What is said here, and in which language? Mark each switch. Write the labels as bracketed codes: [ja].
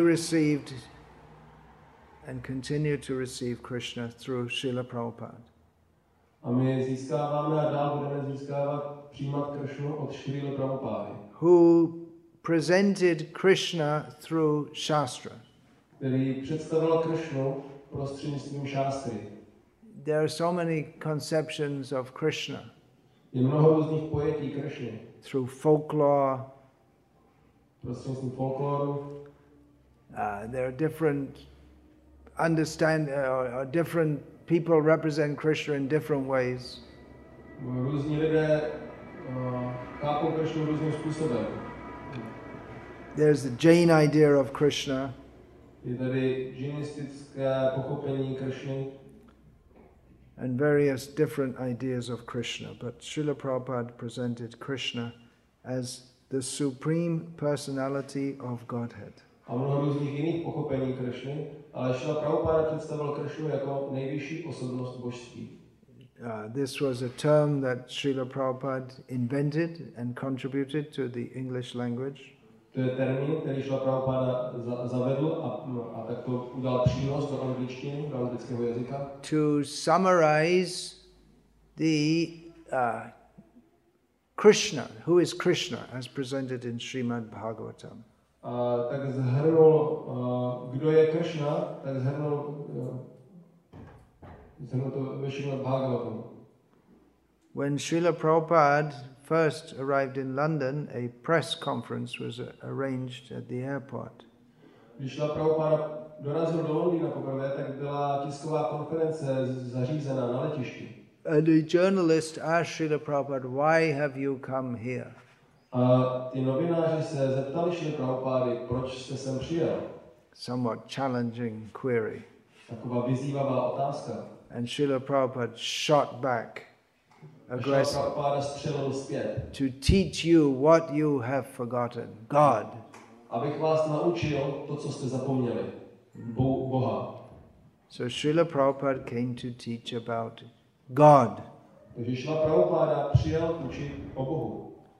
[en] received and continue to receive Krishna through Srila Prabhupada. [cs] A my získáváme a dál budeme získávat přijímat Krishnu od Srila Prabhupada. [en] Who presented Krishna through Shastra. [cs] Který představil Krishnu prostřednictvím Shastry. [en] There are so many conceptions of Krishna. [cs] Je mnoho různých pojetí Krishny. [en] Through folklore. [cs] Prostřednictvím folkloru. [en] There are different understand or different people represent Krishna in different ways. [cs] Různí lidé chápou Krishnu různým způsobem. [en] There's the Jain idea of Krishna. [cs] Je tady jainistické pochopení Krishny. [en] And various different ideas of Krishna, but Srila Prabhupada presented Krishna as the supreme personality of Godhead. [cs] A mnoho různých jiných pochopení Krishny. Ale Srila Prabhupada představil Krishnu jako nejvyšší osobnost božství. [en] This was a term that Srila Prabhupada invented and contributed to the English language. [cs] To je termín, který Šila Prabhupada zavedl a tak to udal přínos do angličtiny, do anglického jazyka. [en] To summarize the Krishna, who is Krishna, as presented in Srimad Bhagavatam. [cs] Tak zhrnul, kdo je Krishna, tak zhrnul, zhrnul to ve Srimad Bhagavatam. [en] When Srila Prabhupada first arrived in London, a press conference was arranged at the airport. [cs] Když Srila Prabhupada dorazil do Londýna poprvé, tak byla tisková konference zařízena na letišti. [en] And a journalist asked Srila Prabhupada, why have you come here? [cs] A ti novináři se zeptali Srila Prabhupada, proč jste sem přijel? [en] Somewhat challenging query. [cs] Taková vyzývavá otázka. [en] And Srila Prabhupada shot back. Aggressive. To teach you what you have forgotten, God. [cs] Abych vás naučil to, co jste zapomněli, Boha. [en] So Srila Prabhupada came to teach about God. [cs] Takže Srila Prabhupada přijel učit o Bohu.